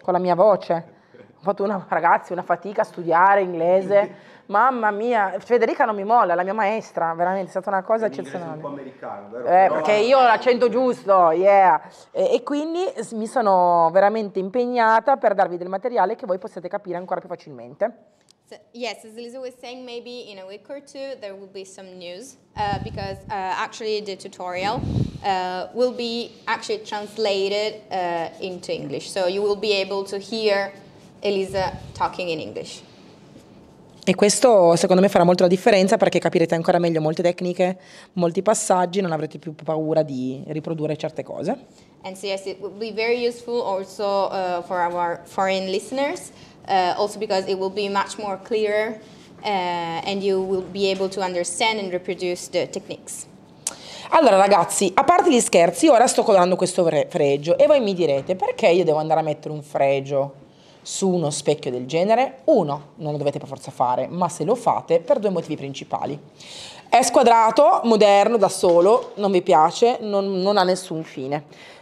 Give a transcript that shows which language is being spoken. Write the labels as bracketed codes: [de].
[it] Con la mia voce. Ho fatto una fatica a studiare inglese. Mamma mia, Federica non mi molla, la mia maestra, veramente, è stata una cosa eccezionale. Un po' americano, vero? Perché io ho l'accento giusto, yeah. E quindi mi sono veramente impegnata per darvi del materiale che voi possiate capire ancora più facilmente. [en] So, yes, as Lisa was saying, maybe in a week or two there will be some news because actually the tutorial will be actually translated into English. So you will be able to hear Elisa talking in English. [it] E questo secondo me farà molto la differenza, perché capirete ancora meglio molte tecniche, molti passaggi, non avrete più paura di riprodurre certe cose. [en] And so yes, it will be very useful also for our foreign listeners. Also because it will be much more clearer and you will be able to understand and reproduce the techniques. [it] Allora ragazzi, a parte gli scherzi, ora sto colorando questo fregio e voi mi direte: perché io devo andare a mettere un fregio su uno specchio del genere? Uno, non lo dovete per forza fare, ma se lo fate, per due motivi principali. È squadrato, moderno, da solo, non vi piace, non ha nessun fine.